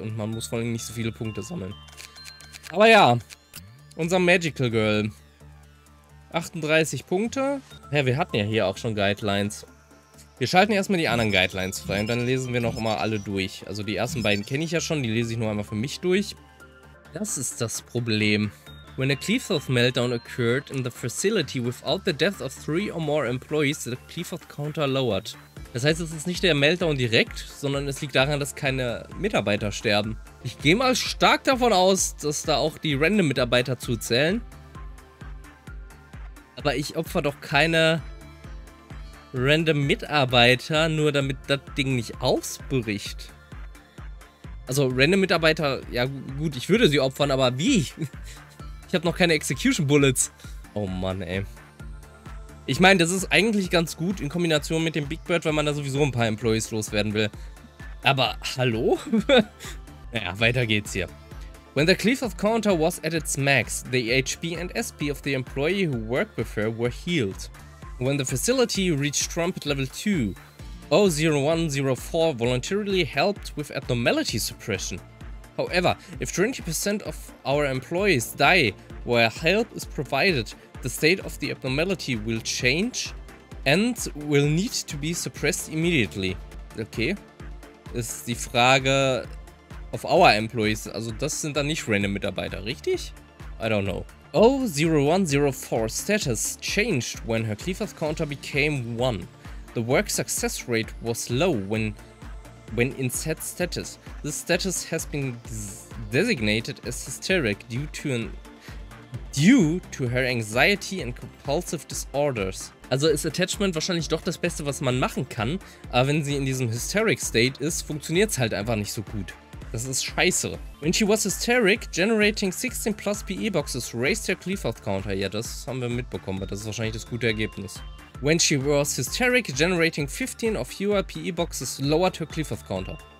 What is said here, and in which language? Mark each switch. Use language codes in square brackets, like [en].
[de] Und man muss vor allem nicht so viele Punkte sammeln. Aber ja, unser Magical Girl. 38 Punkte. Ja, wir hatten ja hier auch schon Guidelines. Wir schalten erstmal die anderen Guidelines frei und dann lesen wir noch mal alle durch. Also die ersten beiden kenne ich ja schon, die lese ich nur einmal für mich durch. Das ist das Problem. [en] When a Clefoth Meltdown occurred in the facility without the death of three or more employees, the Clefoth Counter lowered. [de] Das heißt, es ist nicht der Meltdown direkt, sondern es liegt daran, dass keine Mitarbeiter sterben. Ich gehe mal stark davon aus, dass da auch die Random-Mitarbeiter zuzählen. Aber ich opfer doch keine... Random Mitarbeiter, nur damit das Ding nicht ausbricht. Also, Random Mitarbeiter, ja gut, ich würde sie opfern, aber wie? Ich habe noch keine Execution Bullets. Oh Mann, ey. Ich meine, das ist eigentlich ganz gut in Kombination mit dem Big Bird, weil man da sowieso ein paar Employees loswerden will. Aber, hallo? Naja, weiter geht's hier. [en] When the Clefoth Counter was at its max, the HP and SP of the employee who worked with her were healed. When the facility reached Trumpet Level 2, 0104 voluntarily helped with abnormality suppression. However, if 20% of our employees die while help is provided, the state of the abnormality will change and will need to be suppressed immediately. [de] Okay. Ist die Frage [en] of our employees, [de] also das sind dann nicht random Mitarbeiter, richtig? [en] I don't know. 0104 status changed when her Clefoth counter became 1. The work success rate was low when in set status. This status has been designated as hysteric due to her anxiety and compulsive disorders. [de] Also ist Attachment wahrscheinlich doch das Beste, was man machen kann, aber wenn sie in diesem hysteric state ist, funktioniert es halt einfach nicht so gut. Das ist scheiße. [en] When she was hysteric, generating 16 plus PE boxes raised her Clefoth counter. [de] Ja, das haben wir mitbekommen, aber das ist wahrscheinlich das gute Ergebnis. [en] When she was hysteric, generating 15 or fewer PE boxes lowered her Clefoth counter.